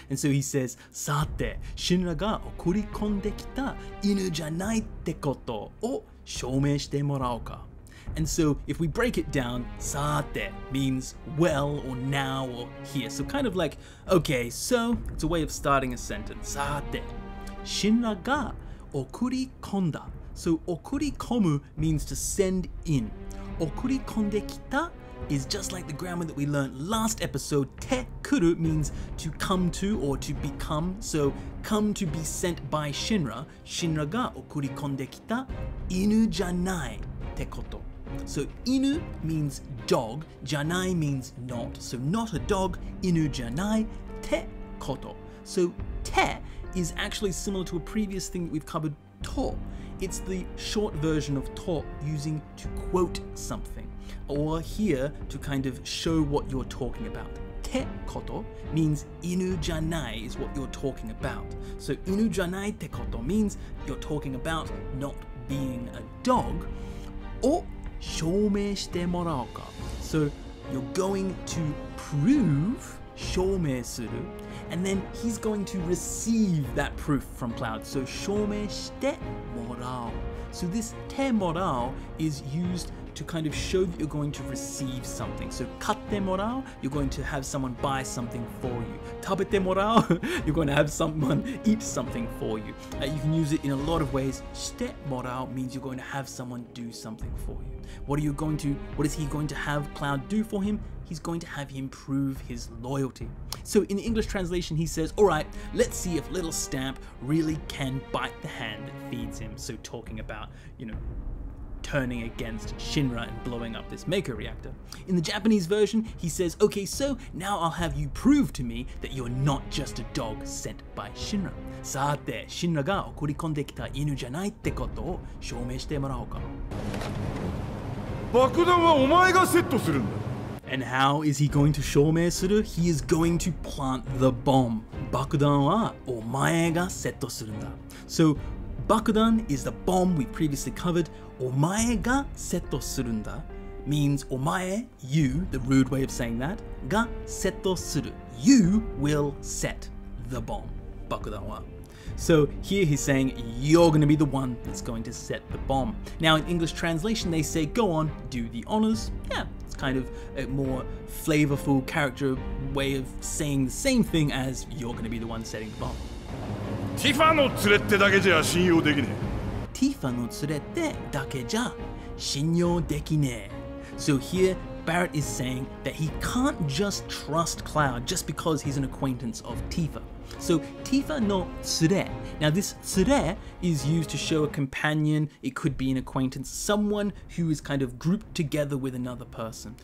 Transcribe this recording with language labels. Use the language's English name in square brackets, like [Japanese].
[English] And so he says, [Japanese] さて、シンナが送り込んできた犬じゃないってことを証明してもらおうか。 [English] And so if we break it down, さて means well or now or here. So kind of like, okay, so it's a way of starting a sentence. [Japanese] さて、シンナが送り込んだ。 [English] So 送り込む means to send in. 送り込んできた is just like the grammar that we learned last episode. てくる means to come to or to become. So come to be sent by Shinra. [Japanese] Shinra が送り込んできた犬じゃないってこと。 [English] So inu means dog, janai means not. So not a dog, inu janai, te koto. So te is actually similar to a previous thing that we've covered, to. It's the short version of to, using to quote something. Or here, to kind of show what you're talking about. Te koto means inu janai is what you're talking about. So inu janai te koto means you're talking about not being a dog. [Japanese] Or証明してもらおうか。 [English] So you're going to prove, 証明する, and then he's going to receive that proof from Cloud. [Japanese] So 証明してもらおう. [English] So this てもらおう is used to kind of show that you're going to receive something. So 買ってもらおう, you're going to have someone buy something for you. 食べてもらおう, you're going to have someone eat something for you. You can use it in a lot of ways. してもらおう means you're going to have someone do something for you. What is he going to have Cloud do for him? He's going to have him prove his loyalty. So in the English translation, he says, all right, let's see if little Stamp really can bite the hand that feeds him. So talking about, you know, turning against Shinra and blowing up this Mako reactor. In the Japanese version, he says, okay, so now I'll have you prove to me that you're not just a dog sent by Shinra. [Japanese] さて、Shinra が送り込んできた犬じゃないってことを証明してもらおうか。爆弾はお前がセットするんだ。 [English] And how is he going to 証明する?He is going to plant the bomb. [Japanese] 爆弾はお前がセットするんだ。 [English] So 爆弾 is the bomb we previously covered. [Japanese] お前がセットするんだ [English] means お前, you, the rude way of saying that, がセットする. You will set the bomb. 爆弾は。 So here he's saying, you're going to be the one that's going to set the bomb. Now in English translation, they say, go on, do the honors. Yeah, it's kind of a more flavorful character way of saying the same thing as you're going to be the one setting the bomb. [Japanese] ティファの連れてだけじゃ信用できねえ。ティファの連れてだけじゃ信用できねえ。 [English] So here,Barrett is saying that he can't just trust Cloud just because he's an acquaintance of Tifa. So Tifa no tsure. Now this tsure is used to show a companion. It could be an acquaintance, someone who is kind of grouped together with another person.